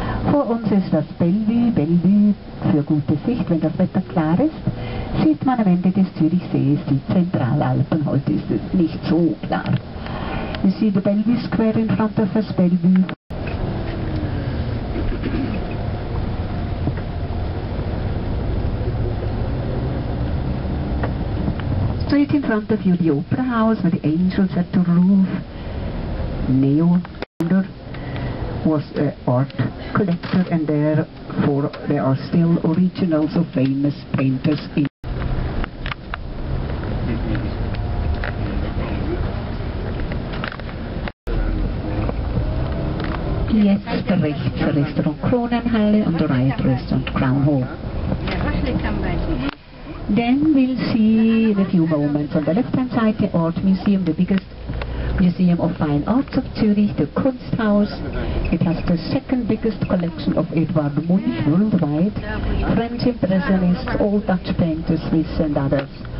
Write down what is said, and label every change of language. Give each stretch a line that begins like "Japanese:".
German: Vor uns ist das Bellevue, Bellevue für gute Sicht, wenn das Wetter klar ist. Sieht man am Ende des Zürichsees die Zentralalpen, heute ist es nicht so klar.
English: You see the Bellevue Square in front of us, Bellevue. Straight in front of you, the Opera House, where the angels at the roof. Neo Wunder was an art collector, and therefore there are still originals of famous painters in.
German: Jetzt rechts Restaurant Kronenhalle und
English: right Restaurant Crown Hall. Then we'll see in a few moments on the left hand side the Art Museum, the biggest museum of fine arts of Zurich, the Kunsthaus. It has the second biggest collection of Edvard Munch worldwide. French impressionists, all Dutch painters, Swiss and others.